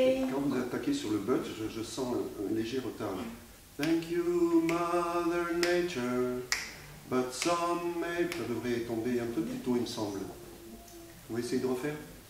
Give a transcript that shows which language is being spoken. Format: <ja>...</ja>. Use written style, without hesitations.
<fr>Quand vous attaquez sur le but, je sens un léger retard.</fr> <en>Thank you, Mother Nature, but some may...</en> <fr>Ça devrait tomber un peu plus tôt, il me semble. Vous essayez de refaire ?</fr>